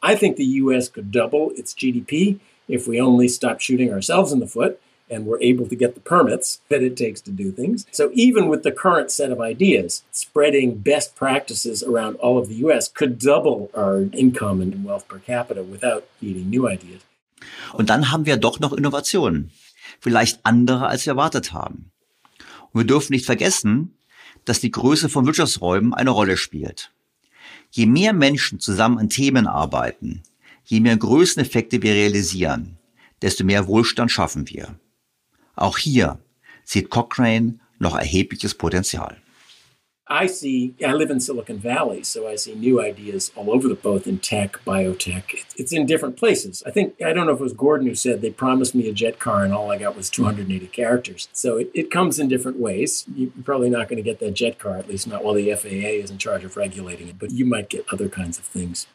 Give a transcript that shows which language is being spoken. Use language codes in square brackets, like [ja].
[en] I think the US could double its GDP if we only stop shooting ourselves in the foot and we're able to get the permits that it takes to do things. So even with the current set of ideas, spreading best practices around all of the US could double our income and wealth per capita without needing new ideas. [de] Und dann haben wir doch noch Innovationen. Vielleicht andere, als wir erwartet haben. Und wir dürfen nicht vergessen, dass die Größe von Wirtschaftsräumen eine Rolle spielt. Je mehr Menschen zusammen an Themen arbeiten, je mehr Größeneffekte wir realisieren, desto mehr Wohlstand schaffen wir. Auch hier sieht Cochrane noch erhebliches Potenzial. [en] I live in Silicon Valley, so I see new ideas all over the both in tech, biotech. It's in different places. I don't know if it was Gordon who said they promised me a jet car and all I got was 280 characters. So it comes in different ways. You're probably not going to get that jet car, at least not while the FAA is in charge of regulating it, but you might get other kinds of things.